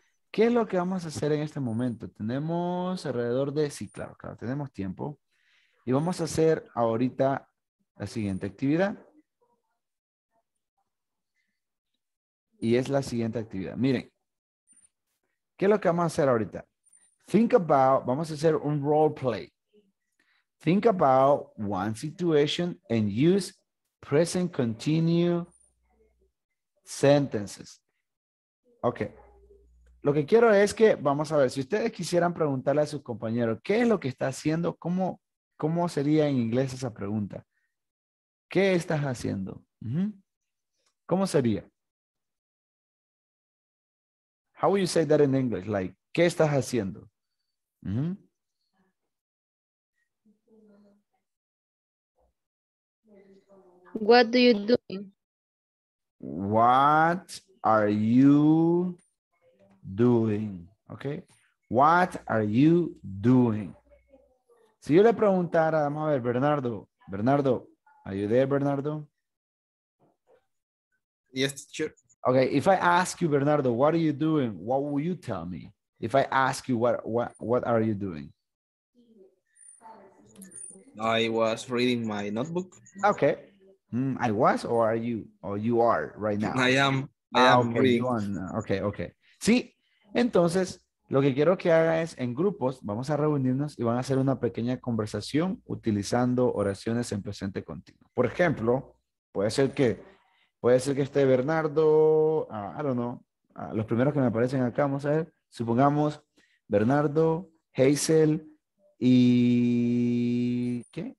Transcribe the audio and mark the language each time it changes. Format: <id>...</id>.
<es>¿Qué es lo que vamos a hacer en este momento? Tenemos alrededor de... Sí, claro, claro, tenemos tiempo. Y vamos a hacer ahorita la siguiente actividad. Y es la siguiente actividad. Miren, ¿qué es lo que vamos a hacer ahorita?</es> <en>Think about...</en> <es>Vamos a hacer un role play.</es> <en>Think about one situation and use present continuous sentences. Ok.</en> <es>Lo que quiero es que, vamos a ver, si ustedes quisieran preguntarle a sus compañeros, ¿qué es lo que está haciendo? ¿Cómo sería en inglés esa pregunta? ¿Qué estás haciendo? ¿Cómo sería?</es> <en>How would you say that in English? Like,</en> <es>¿qué estás haciendo?</es> <en>What do you doing? What are you doing? Okay. What are you doing?</en> <es>Si yo le preguntara, vamos a ver,</es> <en>Bernardo, are you there, Bernardo? Yes, teacher. Okay, if I ask you, Bernardo, what are you doing? What will you tell me? If I ask you, what are you doing? I was reading my notebook. Okay. I was, or are you, or you are right now? I am reading. Okay.</en> <es>Sí, entonces, lo que quiero que haga es, en grupos, vamos a reunirnos y van a hacer una pequeña conversación utilizando oraciones en presente continuo. Por ejemplo, puede ser que esté Bernardo, los primeros que me aparecen acá, vamos a ver, supongamos, Bernardo, Hazel, y ¿qué?</es>